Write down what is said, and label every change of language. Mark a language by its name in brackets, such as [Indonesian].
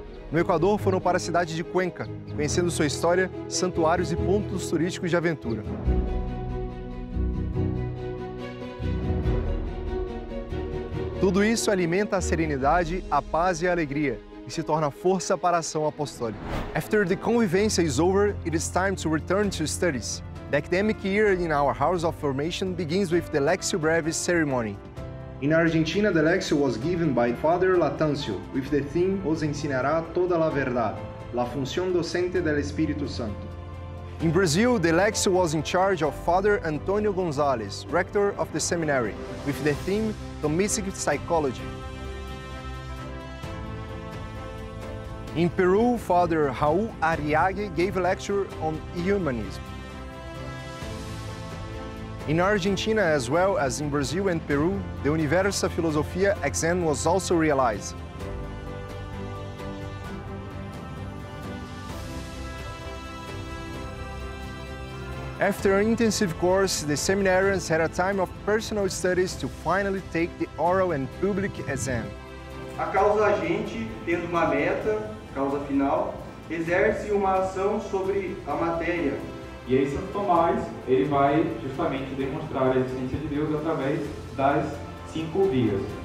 [Portuguese] No Equador, foram para a cidade de Cuenca, conhecendo sua história, santuários e pontos turísticos de aventura. Tudo isso alimenta a serenidade, a paz e a alegria, e se torna força para a ação apostólica. [English] After the convivência is over, it is time to return to studies. The academic year in our house of formation begins with the Lectio Brevis ceremony. In Argentina, the Lectio was given by Father Latancio with the theme [Spanish] Os ensinará toda la verdad, la función docente del Espíritu Santo. [English] In Brazil, the Lectio was in charge of Father Antonio Gonzalez, rector of the seminary, with the theme Domestic Psychology. In Peru, Father Raul Ariague gave a lecture on humanism. In Argentina, as well as in Brazil and Peru, the Universa Filosofia exam was also realized. After an intensive course, the seminarians had a time of personal studies to finally take the oral and public exam. [Portuguese] A causa agente, tendo uma meta, causa final, exerce uma ação sobre a matéria. E aí Santo Tomás, ele vai justamente demonstrar a existência de Deus através das cinco vias.